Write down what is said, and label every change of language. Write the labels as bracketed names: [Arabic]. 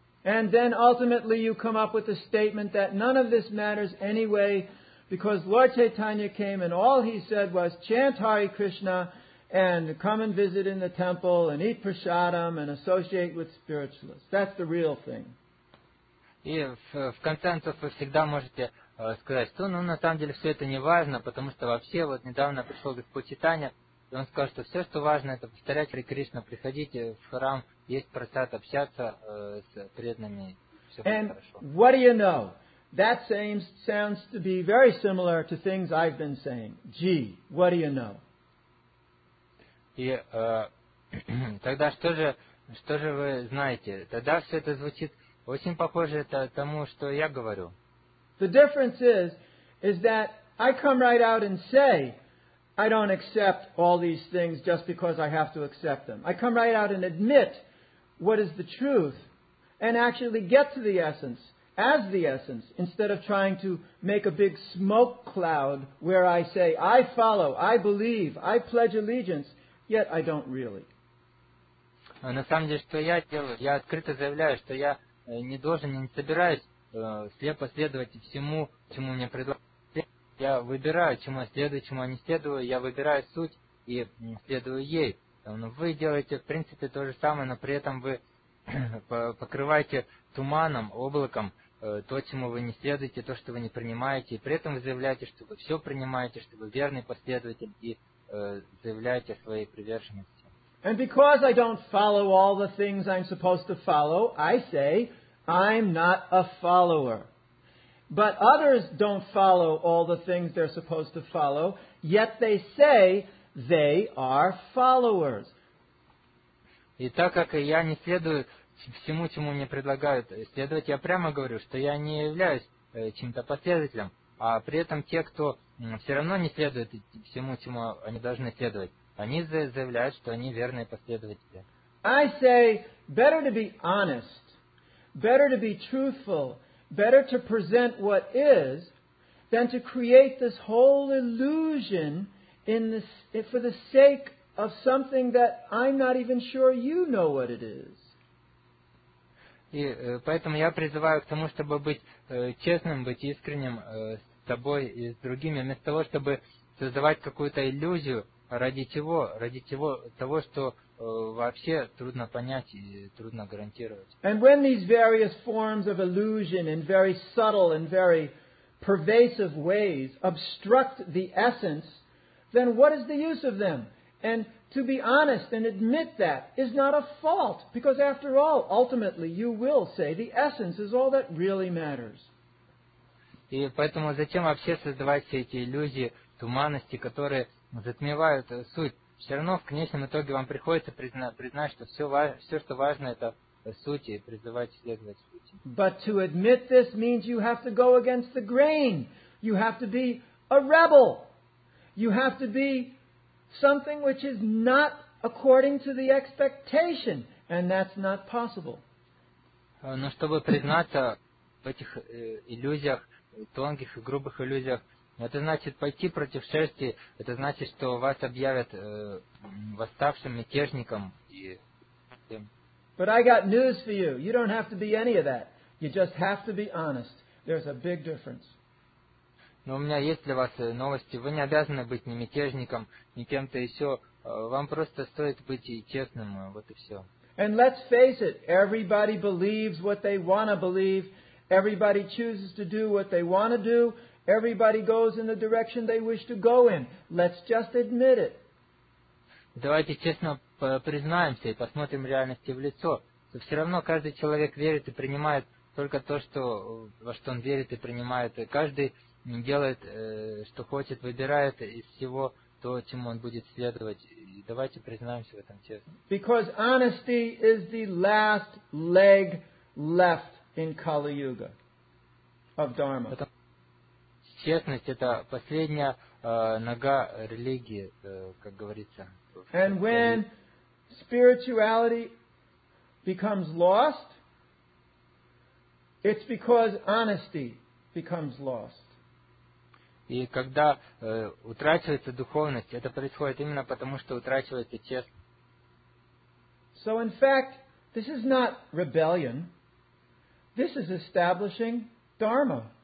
[English] And then ultimately you come up with a statement that none of this matters anyway, because Lord Chaitanya came and all he said was, chant Hare Krishna and come and visit in the temple and eat prasadam and associate with spiritualists. That's the real thing. [Russian] И в конце концов вы всегда можете сказать, что, ну, на самом деле все это не важно, потому что вообще вот недавно пришел Господь Чайтанья, и он сказал, что все, что важно, это повторять Хари Кришна, приходите в храм, есть просад, общаться с преданными, все хорошо. [English] And what do you know? That same sounds to be very similar to things I've been saying. Gee, what do you know? [Russian] И тогда что же вы знаете? Тогда все это звучит очень похоже тому, что я говорю. [English] The difference is that I come right out and say I don't accept all these things just because I have to accept them. I come right out and admit what is the truth and actually get to the essence as the essence, instead of trying to make a big smoke cloud where I say, I follow, I believe, I pledge allegiance, yet I don't really. [Russian] На самом деле, что я делаю? Я открыто заявляю, что я не должен, не собираюсь слепо следовать всему, чему мне предлагают. Я выбираю, чему я следую, чему я не следую. Я выбираю суть и следую ей. Но вы делаете, в принципе, то же самое, но при этом вы покрываете туманом, облаком то, чему вы не следуете, то, что вы не принимаете, и при этом вы заявляете, что вы все принимаете, что вы верный последователь, и заявляете о своей приверженности. [English] And because I don't follow all the things I'm supposed to follow, I say, I'm not a follower. But others don't follow all the things they're supposed to follow, yet they say they are followers. [Russian] И так как я не следую всему, чему мне предлагают следовать, я прямо говорю, что я не являюсь чем-то последователем. а при этом те, кто все равно не следует всему, чему они должны следовать, они заявляют, что они верные последователи. [English] I say, better to be honest, better to be truthful, better to present what is, than to create this whole illusion in this, for the sake of something that I'm not even sure you know what it is. [Russian] И поэтому я призываю к тому, чтобы быть честным, быть искренним с тобой и с другими, вместо того, чтобы создавать какую-то иллюзию, ради того, что вообще трудно понять и трудно гарантировать. [English] And when these various forms of illusion in very subtle and very pervasive ways obstruct the essence, then what is the use of them? And to be honest and admit that is not a fault, because after all, ultimately, you will say the essence is all that really matters. [Russian] И поэтому зачем вообще создавать все эти иллюзии туманности, которые затмевают суть? Все равно в конечном итоге вам приходится признать, что все, что важно, это суть, и призывать следовать сути. [English] But to admit this means you have to go against the grain. You have to be a rebel. You have to be something which is not according to the expectation, and that's not possible. [Russian] Но чтобы признаться в этих иллюзиях, тонких и грубых иллюзиях, это значит пойти против шерсти, это значит, что вас объявят восставшим мятежником. [English] But I got news for you. You don't have to be any of that. You just have to be honest. There's a big difference. [Russian] Но у меня есть для вас новости. Вы не обязаны быть ни мятежником, ни кем-то еще. Вам просто стоит быть и честным. Вот и все. [English] And let's face it, everybody believes what they want to believe. Everybody chooses to do what they want to do. Everybody goes in the direction they wish to go in. Let's just admit it. [Russian] Давайте честно признаемся и посмотрим реальности в лицо. Все равно каждый человек верит и принимает только то, что, во что он верит и принимает. Каждый делает, что хочет, выбирает из всего то, чему он будет следовать. И давайте признаемся в этом честно. [English] Because honesty is the last leg left in Kali Yuga of Dharma. [Russian] Честность — это последняя нога религии, как говорится. [English] And when spirituality becomes lost, it's because honesty becomes lost. [Russian] И когда утрачивается духовность, это происходит именно потому, что утрачивается честность. [English] So in fact, this is not rebellion. This is establishing dharma.